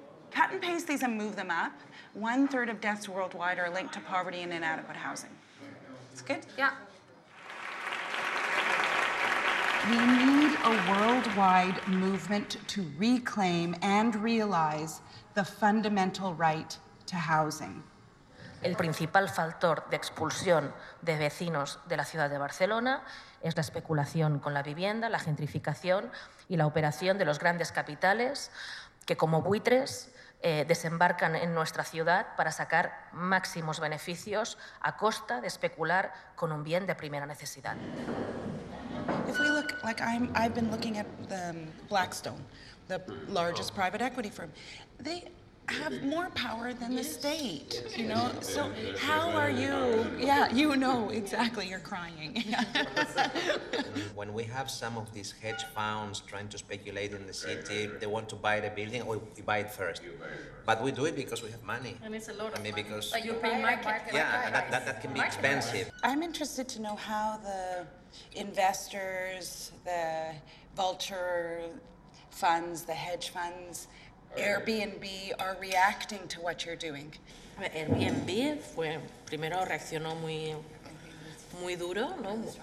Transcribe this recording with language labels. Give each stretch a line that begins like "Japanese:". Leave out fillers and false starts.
English: Cut and paste these and move them up. 1/3 of deaths worldwide are linked to poverty and inadequate housing. That's good? Yeah. We need a worldwide movement to reclaim and realize the fundamental right to housing.
Spanish: El principal factor de expulsión de vecinos de la ciudad de Barcelona es la especulación con la vivienda, la gentrificación y la operación de los grandes capitales que, como buitres, desembarcan en nuestra ciudad para sacar máximos beneficios a costa de especular con un bien de primera necesidad.
English: If we look, like I've been looking at the Blackstone, the largest private equity firm, they have more power than the state, you know? So how are you? Yeah, you know exactly, you're crying. When we have some of these hedge funds trying to speculate in the city, they want to buy the building, we buy it first. But we do it because we have money. And it's a lot of money. Because like you pay market. Yeah, that can be expensive. I'm interested to know how the investors, the vulture funds, the hedge funds, Airbnb are reacting to what you're doing.
Spanish: Airbnb fue primero reaccionó muy muy duro, ¿no?